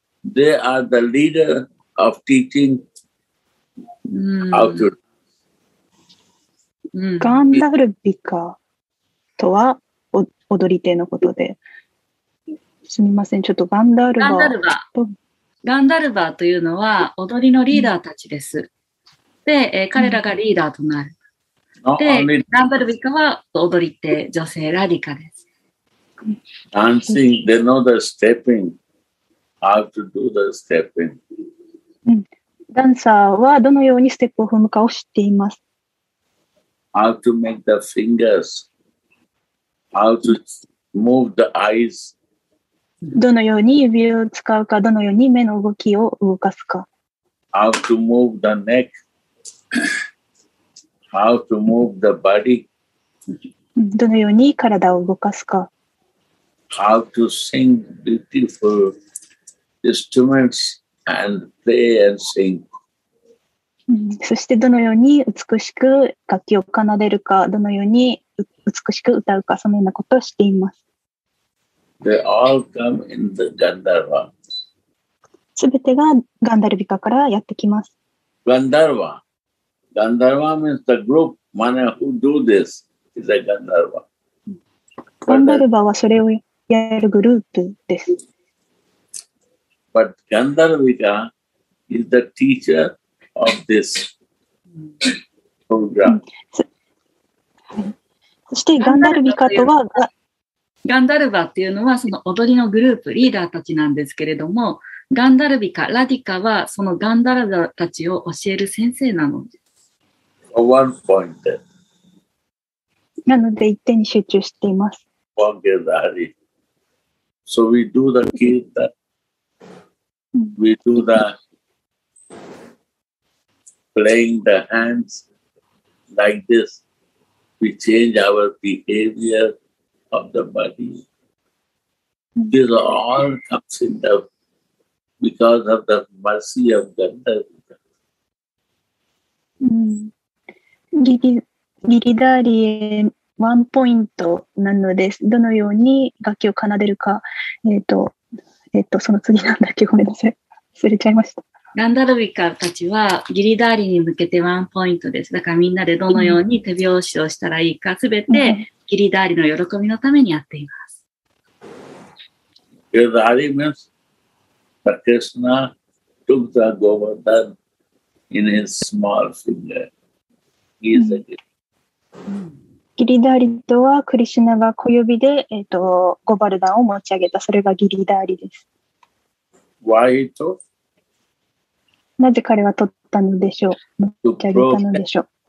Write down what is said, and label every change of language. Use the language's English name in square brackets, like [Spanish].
[English] They are the leader of teaching how to dance. [Japanese] ガンダルビカとは踊り手のことで、すみません、ちょっとガンダルバ。ガンダルバ。ガンダルバというのは踊りのリーダーたちです。で、彼らがリーダーとなる。で、ガンダルビカは踊り手、女性ラディカです。 [English] ダンシング、they know the stepping, how to do the stepping. [Japanese] ダンサーはどのようにステップを踏むかを知っています。 [English] How to make the fingers, how to move the eyes. [Japanese] どのように指を使うか、どのように目の動きを動かすか。 [English] How to move the neck, how to move the body. [Japanese] どのように体を動かすか。 [English] How to sing beautiful instruments and play and sing. [Japanese] そしてどのように美しく楽器を奏でるか、どのように美しく歌うか、そのようなことをしています。 [English] They all come in the Gandharva. [Japanese] すべてがガンダルビカからやってきます。 [English] Gandharva. Gandharva means the group, one who do this is a Gandharva. [Japanese] ガンダルバはそれをやるグループです。 [English] But Gandharvika is the teacher. Of this program. [Japanese] そしてガンダルビカとはガンダルバっていうのはその踊りのグループリーダーたちなんですけれども、ガンダルビカラディカはそのガンダルバたちを教える先生なのです [English] 。 One point. [Japanese] なので一点に集中しています。 [English] So we do the kirtan. We do theplaying the hands like this, we change our behavior of the body. This all comes in the, because of the mercy of Gandharva. [Japanese] ギリダーリエワンポイントなのです。どのように楽器を奏でるか、その次なんだっけ、ごめんなさい。忘れちゃいました。ガンダルビカたちはギリダーリに向けてワンポイントです。だからみんなでどのように手拍子をしたらいいか、すべてギリダーリの喜びのためにやっています。 [English] ギリダーリ means that Krishna took the Govardhan in his small finger. He is a Giri. [Japanese] ギリダーリとはクリシュナが小指で、ゴバルダンを持ち上げた。それがギリダーリです。 [English] Why he took? [Japanese] なぜ彼は取ったのでしょう、持ち上げたのでしょう。